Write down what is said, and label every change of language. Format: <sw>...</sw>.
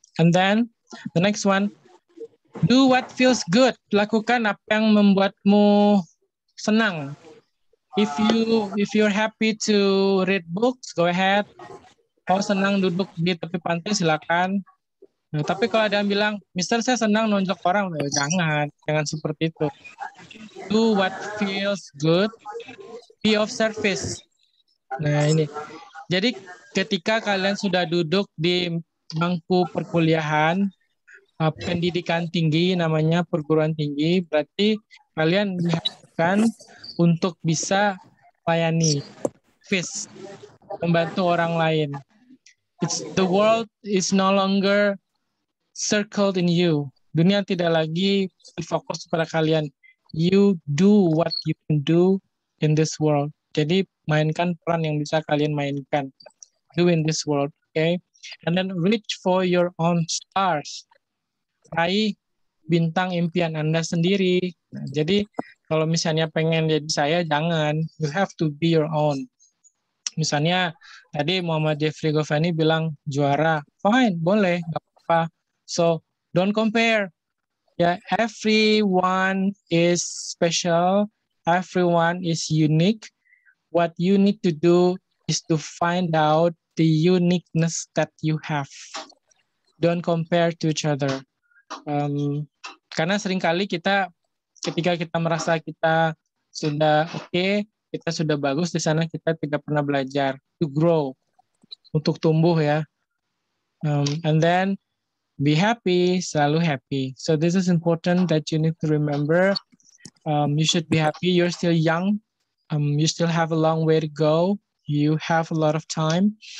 <en>And then the next one, do what feels good.</en> <id>Lakukan apa yang membuatmu senang.</id> <en>If you're happy to read books, go ahead.</en> <id>Kalau senang duduk di tepi pantai, silakan. Nah, tapi kalau ada yang bilang, Mister, saya senang nonjok orang, ya, jangan seperti itu.</id> <en>Do what feels good, be of service.</en> <id>Nah ini, jadi ketika kalian sudah duduk di bangku perkuliahan, pendidikan tinggi namanya perguruan tinggi, berarti kalian diharapkan untuk bisa layani, service, membantu orang lain.</id> <en>It's the world is no longer circled in you.</en> <id>Dunia tidak lagi fokus pada kalian.</id> <en>You do what you can do in this world.</en> <id>Jadi mainkan peran yang bisa kalian mainkan.</id> <en>Do in this world, okay? And then reach for your own stars.</en> <id>Raih bintang impian Anda sendiri. Nah, jadi kalau misalnya pengen jadi saya, jangan.</id> <en>You have to be your own.</en> <id>Misalnya tadi Muhammad Jeffrey Govani bilang juara.</id> <en>Fine,</en> <id>boleh, gak apa-apa.</id> <en>So don't compare. Yeah, everyone is special. Everyone is unique. What you need to do is to find out the uniqueness that you have. Don't compare to each other.</en> <id>Karena seringkali kita ketika kita merasa kita sudah okay, kita sudah bagus di sana, kita tidak pernah belajar</id> <en>to grow,</en> <id>untuk tumbuh ya.</id> <en>And then be happy, selalu happy. So this is important that you need to remember. You should be happy. You're still young. You still have a long way to go. You have a lot of time.</en>